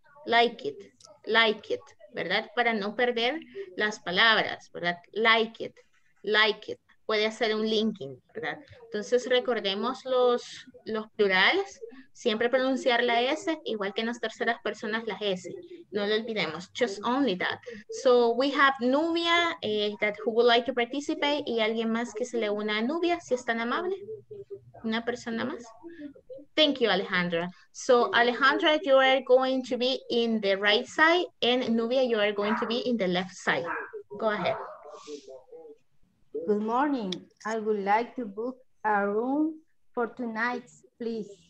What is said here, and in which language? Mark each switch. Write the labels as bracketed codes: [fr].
[en] Like it, like it, [es] ¿verdad? Para no perder las palabras, ¿verdad? [en] Like it, like it. [es] Puede hacer un linking, ¿verdad? Entonces, recordemos los plurales. Siempre pronunciar la S, igual que en las terceras personas la S. No lo olvidemos. [en] Just only that. So, we have Nubia, that who would like to participate. [es] Y alguien más que se le una a Nubia, si es tan amable. Una persona más. [en] Thank you, Alejandra. So, Alejandra, you are going to be in the right side. And Nubia, you are going to be in the left side. Go ahead. Good morning. I would like to book a room for tonight, please.